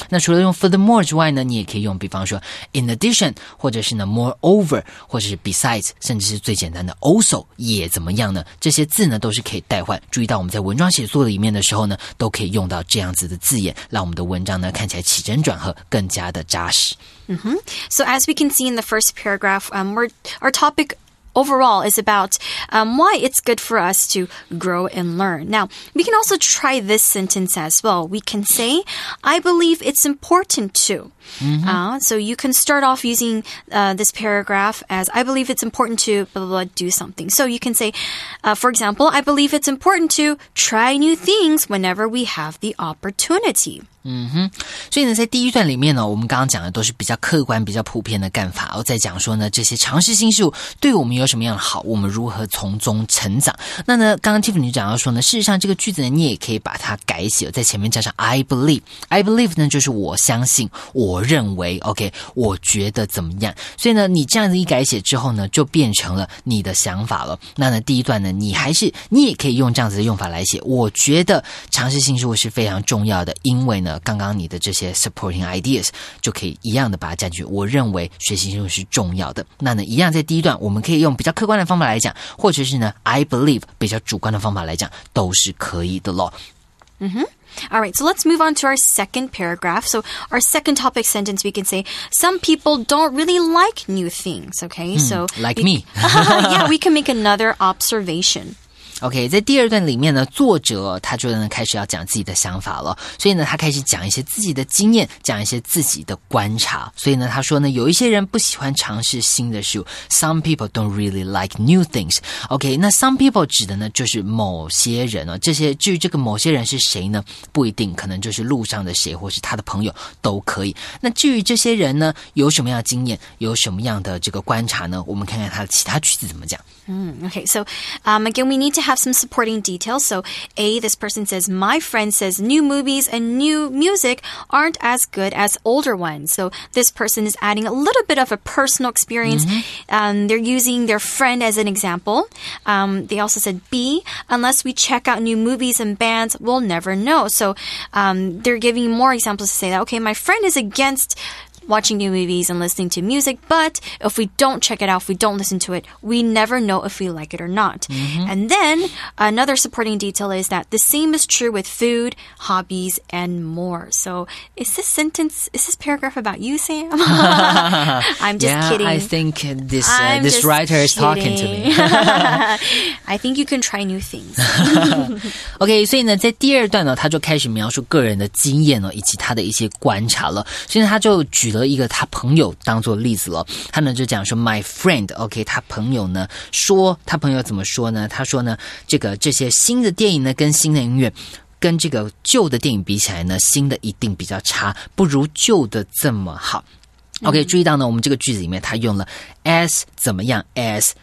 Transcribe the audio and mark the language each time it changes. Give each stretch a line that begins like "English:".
Chinese: 那除了用 furthermore 之外呢，你也可以用比方说 in addition, 或者是呢 moreover, 或者是 besides, 甚至是最简单的 also, 也怎么样呢，这些字呢都是可以代换。注意到我们在文章写作里面的时候呢都可以用到这样子的字眼，让我们的文章呢看起来起承转合，更加的扎实。 Mm-hmm.
English: So as we can see in the first paragraph, our topic overall is about why it's good for us to grow and learn. Now, we can also try this sentence as well. We can say, I believe it's important to. Mm-hmm. So you can start off using this paragraph as, I believe it's important to blah, blah, blah, do something. So you can say, for example, I believe it's important to try new things whenever we have the opportunity.
Chinese: 嗯哼，所以呢在第一段里面呢我们刚刚讲的都是比较客观比较普遍的干法，我在讲说呢这些尝试新事物对我们有什么样的好，我们如何从中成长。那呢刚刚 Tiffany 讲到说呢，事实上这个句子呢你也可以把它改写，在前面加上
English: I believe
Chinese: 呢就是我相信，我认为， OK, 我觉得怎么样。所以呢你这样子一改写之后呢就变成了你的想法了。那呢第一段呢你也可以用这样子的用法来写，我觉得尝试新事物是非常重要的，因为呢刚刚你的这些 supporting ideas 就可以一样的把它加进去，我认为学习是重要的。那呢一样在第一段我们可以用比较客观的方法来讲，或者是呢
English: I believe
Chinese: 比较主观的方法来讲，都是可以的咯。 Mm-hmm.
English: All right, so let's move on to our second paragraph. So our second topic sentence, we can say, some people don't really like new things, okay? So like me. Yeah, we can make another observation.
Chinese: OK, 在第二段里面呢作者他就呢开始要讲自己的想法了。所以呢他开始讲一些自己的经验，讲一些自己的观察。所以呢他说呢有一些人不喜欢尝试新的事物。
English: Some people don't really like new things. OK, 那 some people
Chinese: 指的呢就是某些人哦。至于这个某些人是谁呢，不一定，可能就是路上的谁或是他的朋友都可以。那至于这些人呢有什么样的经验，有什么样的这个观察呢，我们看看他的其他句子怎么讲。
English: OK, so, again, we need to have some supporting details. So, A, this person says, my friend says new movies and new music aren't as good as older ones. So, this person is adding a little bit of a personal experience. Mm-hmm. They're using their friend as an example. They also said, B, unless we check out new movies and bands, we'll never know. So, they're giving more examples to say that, okay, my friend is against... watching new movies and listening to music, but if we don't check it out, if we don't listen to it, we never know if we like it or not. Mm-hmm. And then another supporting detail is that the same is true with food, hobbies, and more. So is this paragraph about you, Sam? I'm just kidding. Yeah, I think this writer is talking to me. I think you can try new things.
Chinese: OK, 所以呢在第二段呢他就开始描述个人的经验以及他的一些观察了。所以他就举了一个他朋友当做例子了，他呢就讲说
English: my friend,
Chinese: OK, 他朋友呢说，他朋友怎么说呢，他说呢这些新的电影呢跟新的音乐跟这个旧的电影比起来呢，新的一定比较差，不如旧的这么好。 OK,注意到呢我们这个句子里面他用了 as 怎么样 as